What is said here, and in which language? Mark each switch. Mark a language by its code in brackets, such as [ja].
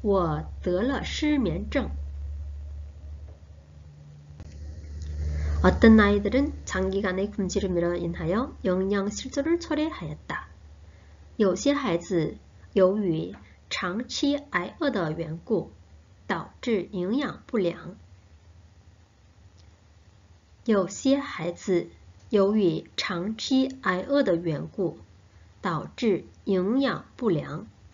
[zh] 由于工作压力大的缘故，我得了失眠症。 [ko] 어떤 아이들은 장기간의 굶주림으로 인하여 영양 실조를 초래하였다. [zh] 有些孩子由于长期挨饿的缘故。导致营养不良。有些孩子由于长期挨饿的缘故，导致营养不良。